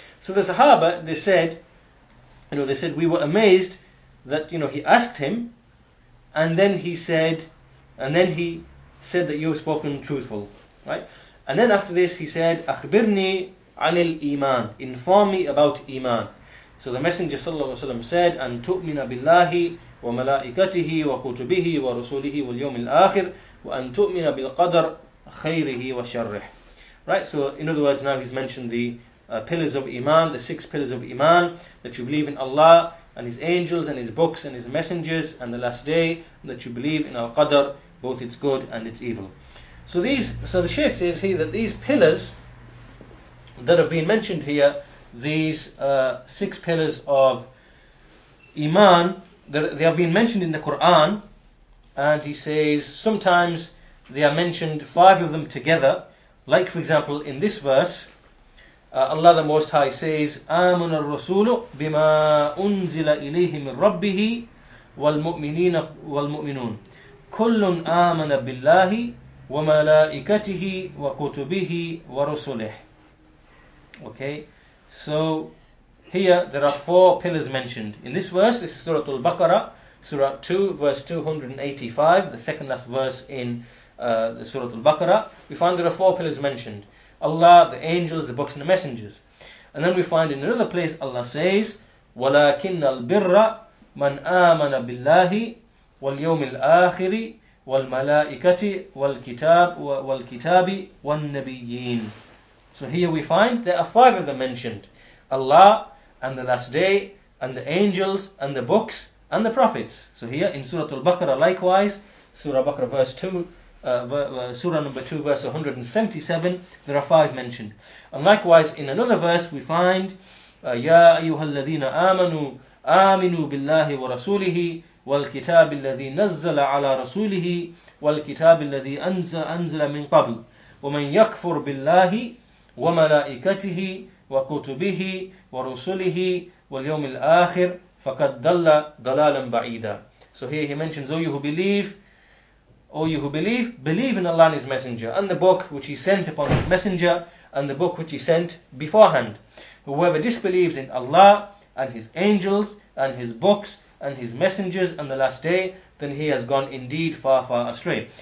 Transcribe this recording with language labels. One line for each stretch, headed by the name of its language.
English: So the Sahaba, they said, we were amazed that, you know, he asked him, and then he said that you have spoken truthful, right? And then after this, he said,
Arabic: أخبرني عن الإيمان,
English: inform me about Iman. So the Messenger sallallahu alaihi wasallam said,
Arabic: أن تؤمن بالله وملائكته وكتبه ورسوله واليوم الآخر وأن تؤمن بالقدر خيره وشره.
English: Right, so in other words, now he's mentioned the pillars of Iman, the six pillars of Iman, that you believe in Allah and His angels and His books and His messengers and the last day, and that you believe in Al-Qadr, both its good and its evil. So the Shaykh says here that these pillars that have been mentioned here, these six pillars of Iman, they have been mentioned in the Quran, and he says sometimes they are mentioned, five of them together. Like, for example, in this verse, Allah the Most High says,
Arabic: آمن الرسول بما أنزل إليه من ربه والمؤمنين والمؤمنون كل آمن بالله وملائكته وكتبه ورسله.
English: Okay, so here there are four pillars mentioned. In this verse, this is Surah Al-Baqarah, Surah 2, verse 285, the second last verse in the Surah Al-Baqarah, we find there are four pillars mentioned: Allah, the angels, the books, and the messengers. And then we find in another place Allah says,
Arabic: وَلَكِنَّ الْبِرَّ مَنْ آمَنَ بِاللَّهِ وَالْيَوْمِ الْآخِرِ وَالْمَلَائِكَةِ وَالْكِتَابِ وَالنَّبِيِّينَ.
English: So here we find there are five of them mentioned: Allah, and the last day, and the angels, and the books, and the prophets. So here in Surah Al-Baqarah likewise, Surah Baqarah verse 2, Surah number 2, verse 177, there are five mentioned. And likewise, in another verse, we find,
Arabic: يَا أَيُّهَا الَّذِينَ آمَنُوا آمِنُوا بِاللَّهِ وَرَسُولِهِ وَالْكِتَابِ الَّذِي نَزَّلَ عَلَى رَسُولِهِ وَالْكِتَابِ الَّذِي أَنزَلَ مِنْ قَبْلِ وَمَنْ يَكْفُرْ بِاللَّهِ وَمَلَائِكَتِهِ وَكُتُبِهِ وَرُسُولِهِ وَالْيَوْمِ الْآخِرِ فَقَدْ دَلَّ ضَلَالًا بَعِيدًا.
English: So here he mentions, O you who believe in Allah and His Messenger, and the book which He sent upon His Messenger, and the book which He sent beforehand. Whoever disbelieves in Allah and His angels and His books and His messengers and the last day, then he has gone indeed far, far astray.